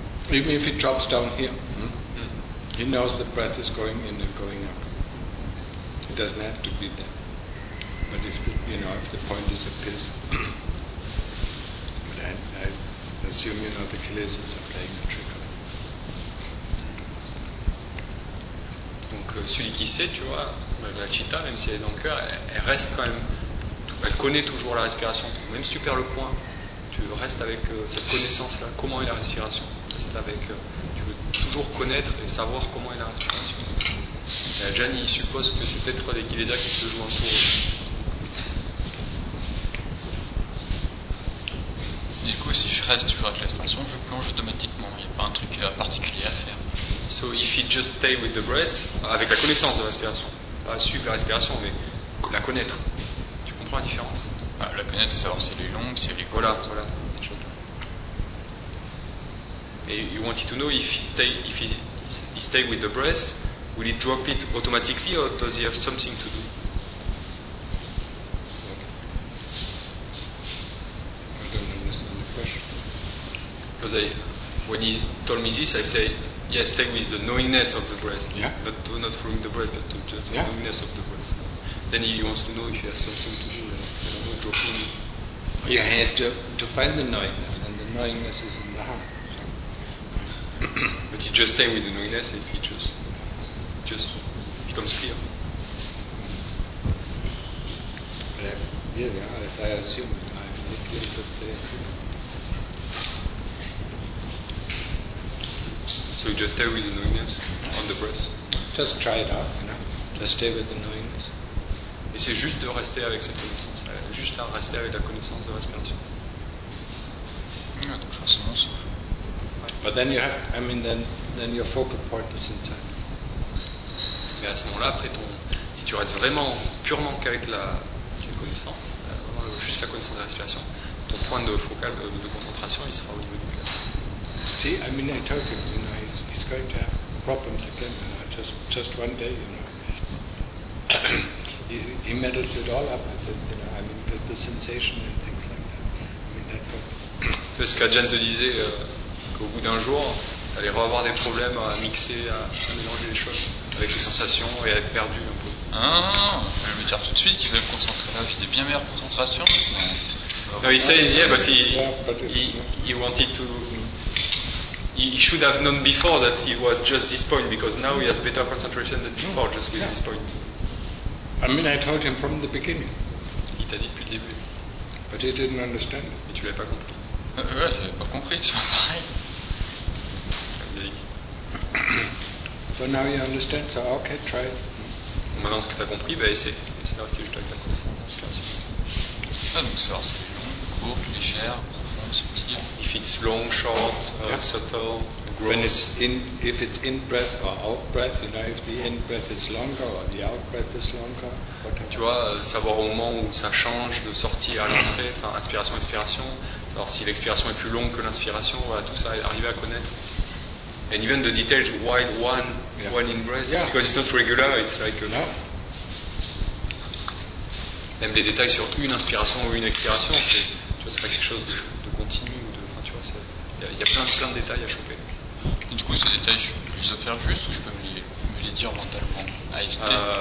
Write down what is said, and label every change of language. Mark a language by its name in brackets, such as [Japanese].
[English] Even if he drops down here, he knows the breath is going in and going up. It doesn't have to be there. But if the point disappears, but I assume the kilesas are playing a trick. [French] Donc celui qui sait, tu vois, la chitta, même si elle est dans le cœur, elle reste quand même. Elle connaît toujours la respiration. Même si tu perds le point, tu restes avec cette connaissance-là. Comment est la respiration? Reste avec. Tu veux toujours connaître et savoir comment est la respiration. Jani suppose que c'est peut-être des kilesas qui se jouent autour. Si je reste toujours avec l'expansion, je plonge automatiquement. Il n'y a pas un truc particulier à faire. [English] So if you just stay with the breath, [French] avec la connaissance de l'aspiration, pas suivre la respiration, mais la connaître. Tu comprends la différence? La connaître, c'est savoir si elle est longue, si elle est courte. Voilà. Et [English] You wanted to know if he stay with the breath, will he drop it automatically, or does he have something to do? Okay. I don't understand the question. Because when he told me this, I say, yes, yeah, stay with the knowingness of the breath. Yeah. But do not from the breath, but to just the knowingness of the breath. Then he wants to know if he has something to do, dropping. You have to find the knowingness, and the knowingness is in the heart. But you just stay with the knowingness, and it just becomes clear. Yeah, as I assume, I make this experience. So you just stay with the knowingness on the breath. Just try it out, you know. Just stay with the knowingness. [French] Et c'est juste de rester avec cette connaissance, juste à rester avec la connaissance de respiration. Donc forcément, ça. [English] But then you have, I mean, then your focal point is inside. [French] Mais à ce moment-là, après, si tu restes vraiment, purement qu'avec cette connaissance, vraiment juste la connaissance de respiration, ton point de focal, de concentration, il sera au niveau du cœur. [English] See, I mean, I told him, you know, he's going to have problems again, you know, just one day, you know. He meddles it all up. The sensation and things like that. I mean, that's what. [French] Parce qu'Adjane te disait qu'au bout d'un jour, tu allais avoir des problèmes à mixer, à mélanger les choses avec les sensations et à être perdu un peu. Ah, je vais dire tout de suite qu'il va me concentrer là. J'ai des bien meilleures concentrations. Non, il sait, [English] but he wanted to. He should have known before that he was just this point, because now he has better concentration than before, just with this point. I mean, I told him from the beginning. [French] Il t'a dit depuis le début. [English] But he didn't understand. [French] Et tu l'avais pas compris. Ouais, j'avais pas compris, c'est pareil. [English] So now you understand, so okay, try it. [French] Maintenant que t'as compris, bah essaie de rester juste avec la conscience. Ah, donc ça, c'est long, court, légère. [English] If it's long, short, subtle, gross. When it's in, if it's in breath or out breath, you know, if the in breath is longer or the out breath is longer. [French] Tu vois, savoir au moment où ça change de sortie à l'entrée, enfin inspiration, expiration, savoir si l'expiration est plus longue que l'inspiration, voilà, tout ça, arriver à connaître. [English] And even the details, why one in breath, because it's not regular, it's like a. [French] Même les détails sur une inspiration ou une expiration, c'est. Tu vois, c'est pas quelque chose de continu ou de. Enfin, tu vois, il y a plein de détails à choper. Et du coup, ces détails, je peux les faire juste ou je peux me les dire mentalement à éviter.